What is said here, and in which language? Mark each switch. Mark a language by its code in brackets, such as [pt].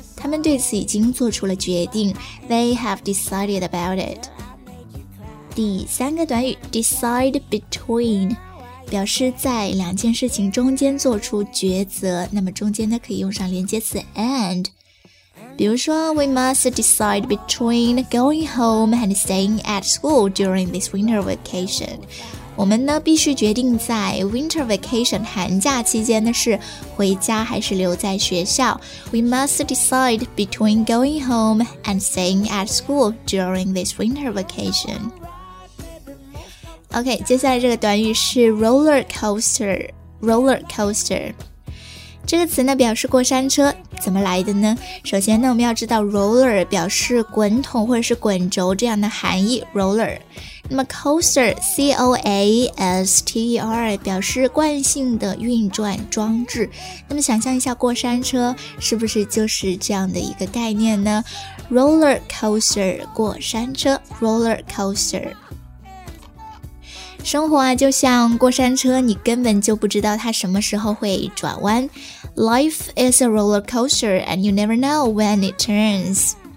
[zh] 他们对此已经做出了决定。 [en] They have decided about it. [zh] 第三个短语 ,decide between, 表示在两件事情中间做出抉择。那么中间呢可以用上连接词 and。比如说 [en] ,we must decide between going home and staying at school during this winter vacation. [zh] 我们呢必须决定在 winter vacation 寒假期间呢是回家还是留在学校。 [en] We must decide between going home and staying at school during this winter vacation. [zh] OK, 接下来这个短语是 roller coaster, roller coaster. 这个词呢表示过山车怎么来的呢？首先呢我们要知道 roller 表示滚筒或者是滚轴这样的含义 roller。那么 coaster, C-O-A-S-T-E-R, 表示惯性的运转装置。那么想象一下过山车是不是就是这样的一个概念呢 ?Roller coaster, 过山车 ,roller coaster。生活啊就像过山车你根本就不知道它什么时候会转弯。 [en] Life is a roller coaster and you never know when it turns.